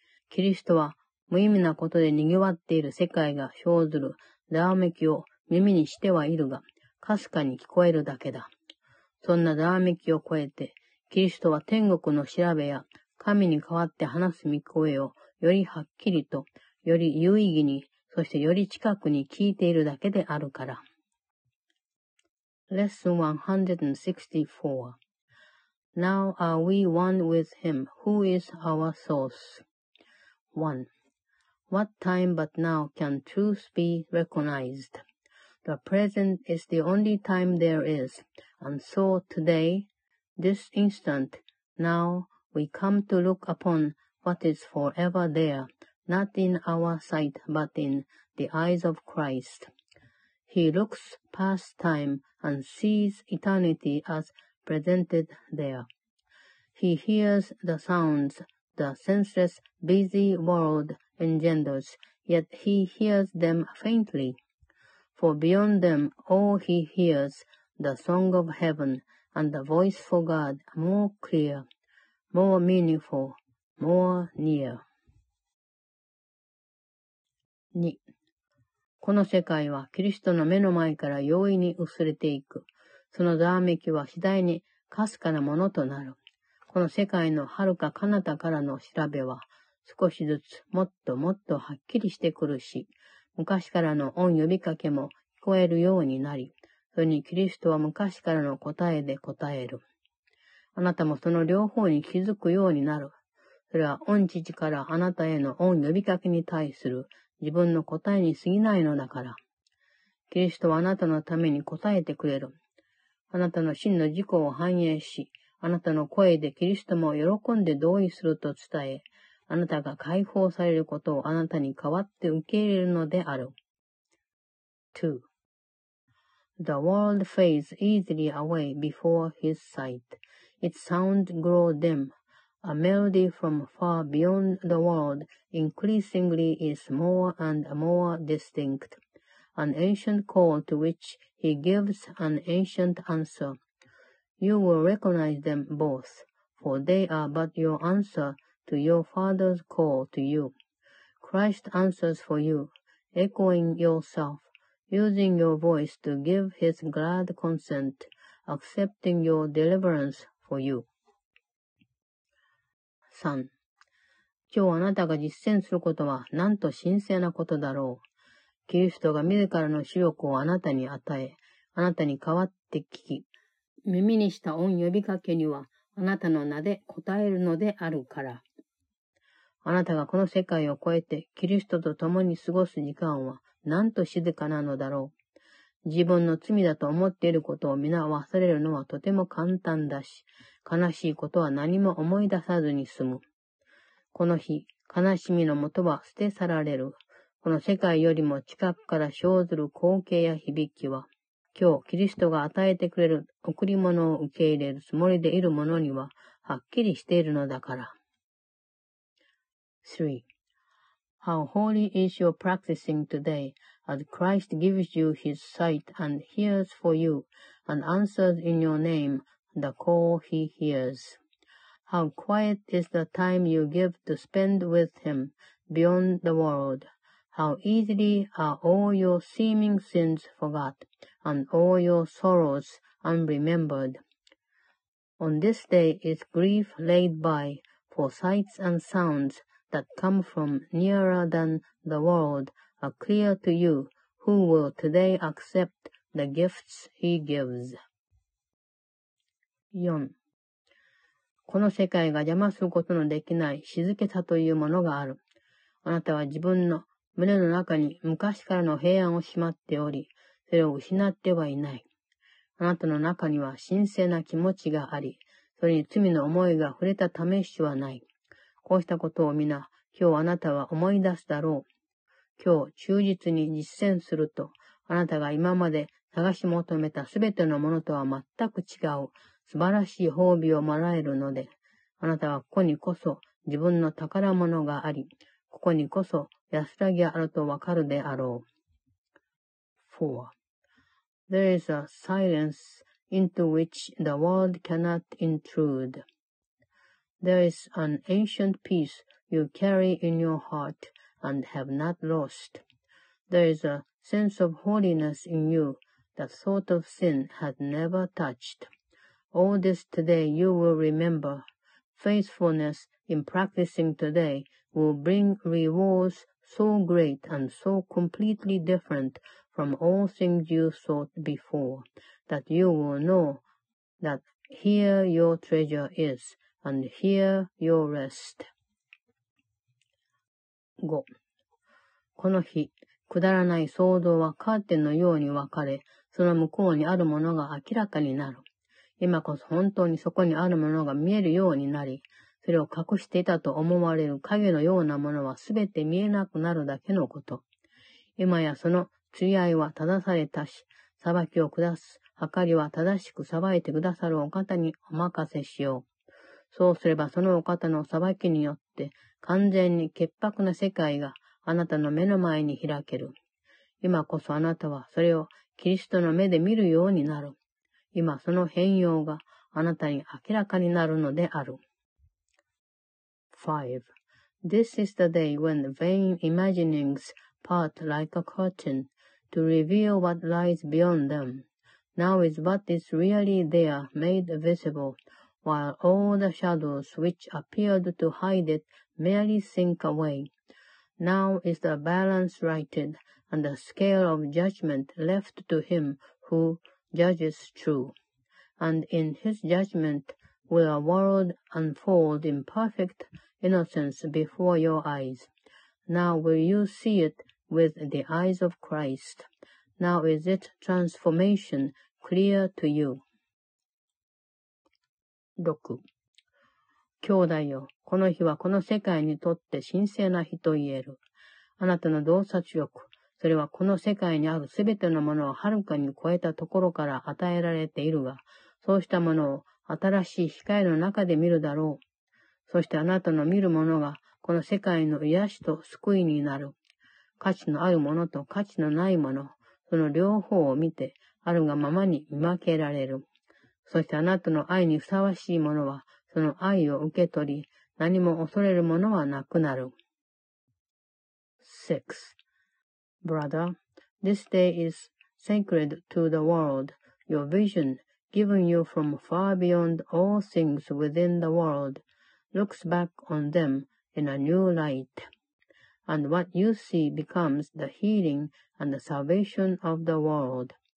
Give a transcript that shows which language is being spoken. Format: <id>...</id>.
<ja>キリストは無意味なことで賑わっている世界が生ずるざわめきを耳にしてはいるが、かすかに聞こえるだけだ。そんなざわめきを超えて、キリストは天国の調べや神に代わって話す御声をよりはっきりと、より有意義に、そしてより近くに聞いているだけであるから。</ja> <en>Lesson 164. Now are we one with him who is our source? 1. What time but now can truth be recognized? The present is the only time there is, and so today, this instant, now we come to look upon what is forever there, not in our sight but in the eyes of Christ. He looks past time and sees eternity as presented there. He hears the sounds the senseless busy world engenders, yet he hears them faintly. For beyond them all he hears the song of heaven and the voice for God more clear, more meaningful, more near. 2.</en> <ja>この世界はキリストの目の前から容易に薄れていく。そのざわめきは次第にかすかなものとなる。この世界の遥か彼方からの調べは、少しずつもっともっとはっきりしてくるし、昔からの御呼びかけも聞こえるようになり、それにキリストは昔からの答えで答える。あなたもその両方に気づくようになる。それは御父からあなたへの御呼びかけに対する、自分の答えに過ぎないのだから。キリストはあなたのために答えてくれる。あなたの真の自己を反映し、あなたの声でキリストも喜んで同意すると伝え、あなたが解放されることをあなたに代わって受け入れるのである。</ja> <en>2.The world fades easily away before his sight. Its sounds grow dim. A melody from far beyond the world increasingly is more and more distinct, an ancient call to which he gives an ancient answer. You will recognize them both, for they are but your answer to your Father's call to you. Christ answers for you, echoing yourself, using your voice to give his glad consent, accepting your deliverance for you. 3.</en> <ja>今日あなたが実践することはなんと神聖なことだろう。キリストが自らの主力をあなたに与え、あなたに代わって聞き、耳にした御呼びかけにはあなたの名で答えるのであるから。あなたがこの世界を越えてキリストと共に過ごす時間はなんと静かなのだろう。自分の罪だと思っていることを皆忘れるのはとても簡単だし、悲しいことは何も思い出さずに済む。この日、悲しみのもとは捨て去られる。この世界よりも近くから生ずる光景や響きは、今日キリストが与えてくれる贈り物を受け入れるつもりでいる者にははっきりしているのだから。</ja> <en>3. How holy is your practicing today as Christ gives you his sight and hears for you and answers in your name the call he hears. How quiet is the time you give to spend with him beyond the world. How easily are all your seeming sins forgot, and all your sorrows unremembered. On this day is grief laid by for sights and sounds that come from nearer than the world are clear to you who will today accept the gifts he gives. 4.</en> <ja>この世界が邪魔することのできない静けさというものがある。あなたは自分の胸の中に昔からの平安をしまっており、それを失ってはいない。あなたの中には神聖な気持ちがあり、それに罪の思いが触れた試しはない。こうしたことを皆、今日あなたは思い出すだろう。今日忠実に実践すると、あなたが今まで探し求めたすべてのものとは全く違う素晴らしい褒美をもらえるので、あなたはここにこそ自分の宝物があり、ここにこそ安らぎあるとわかるであろう。</ja> <en>4. There is a silence into which the world cannot intrude. There is an ancient peace you carry in your heart and have not lost. There is a sense of holiness in you that thought of sin had never touched. All this today you will remember. Faithfulness in practicing today will bring rewards so great and so completely different from all things you thought before, that you will know that here your treasure is, and here your rest. 5.</en> <ja>この日、くだらない想像はカーテンのように分かれ、その向こうにあるものが明らかになる。今こそ本当にそこにあるものが見えるようになり、それを隠していたと思われる影のようなものはすべて見えなくなるだけのこと。今やその釣り合いは正されたし、裁きを下す、はかりは正しく裁いてくださるお方にお任せしよう。そうすればそのお方の裁きによって、完全に潔白な世界があなたの目の前に開ける。今こそあなたはそれをキリストの目で見るようになる。今その変容があなたに明らかになるのである。</ja> <en>5. This is the day when vain imaginings part like a curtain to reveal what lies beyond them. Now is what is really there made visible, while all the shadows which appeared to hide it merely sink away. Now is the balance righted and the scale of judgment left to him who judges true. And in his judgment will a world unfold in perfect innocence before your eyes. Now will you see it with the eyes of Christ. Now is its transformation clear to you. 6.</en> <ja>兄弟よ、この日はこの世界にとって神聖な日と言える。あなたの洞察力、それはこの世界にあるすべてのものをはるかに超えたところから与えられているが、そうしたものを新しい光の中で見るだろう。そしてあなたの見るものがこの世界の癒しと救いになる。価値のあるものと価値のないもの、その両方を見てあるがままに見分けられる。そしてあなたの愛にふさわしいものはその愛を受け取り、何も恐れるものはなくなる。</ja> <en>6. Brother, this day is sacred to the world, your vision given you from far beyond all things within the world. Looks back on them in a new light. And what you see becomes the healing and the salvation of the world.</en>